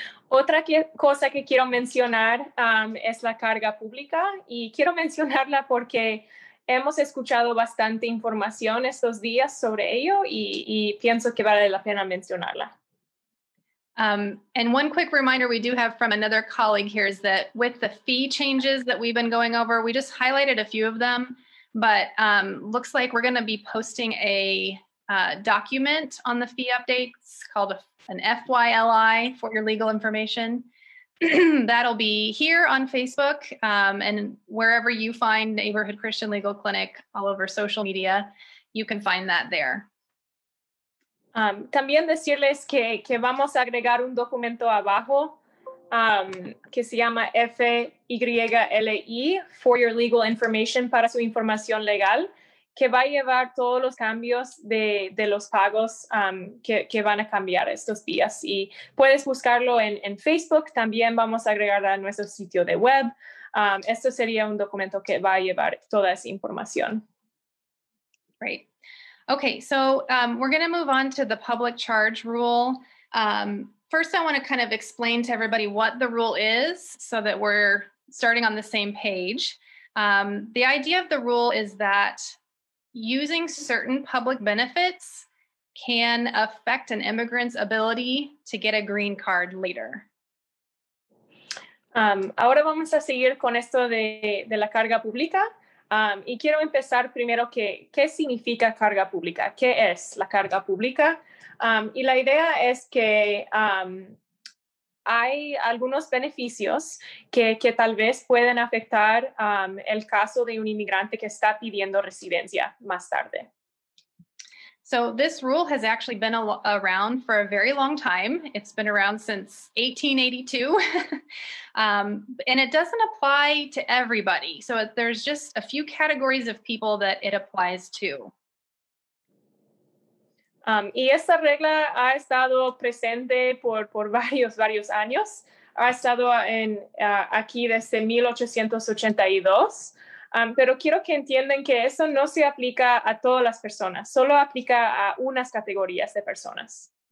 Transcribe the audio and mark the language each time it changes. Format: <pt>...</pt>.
<es>Otra cosa que quiero mencionar es la carga pública, y quiero mencionarla porque hemos escuchado bastante información estos días sobre ello, y pienso que vale la pena mencionarla.</es> <en>And one quick reminder we do have from another colleague here is that with the fee changes that we've been going over, we just highlighted a few of them, but looks like we're going to be posting a document on the fee updates called an FYLI for your legal information. That'll be here on Facebook and wherever you find Neighborhood Christian Legal Clinic, all over social media, you can find that there.</en> <es>También decirles que vamos a agregar un documento abajo que se llama FYLI,</es> <en>for your legal information,</en> <es>para su información legal, que va a llevar todos los cambios de los pagos que van a cambiar estos días. Y puedes buscarlo en Facebook. También vamos a agregar a nuestro sitio de web. Esto sería un documento que va a llevar toda esa información.</es> <en>Great. Okay, so we're going to move on to the public charge rule. First, I want to kind of explain to everybody what the rule is so that we're starting on the same page. The idea of the rule is that using certain public benefits can affect an immigrant's ability to get a green card later.</en> <es>Ahora vamos a seguir con esto de la carga pública. Y quiero empezar primero qué significa carga pública, qué es la carga pública. Y la idea es que hay algunos beneficios que tal vez pueden afectar el caso de un inmigrante que está pidiendo residencia más tarde.</es> <en>So this rule has actually been around for a very long time. It's been around since 1882. and it doesn't apply to everybody. So there's just a few categories of people that it applies to.</en> <es>Y esta regla ha estado presente por varios años. ha estado en, aquí desde 1882, pero quiero que entiendan que eso no se aplica a todas las personas, solo aplica a unas categorías de personas.</es>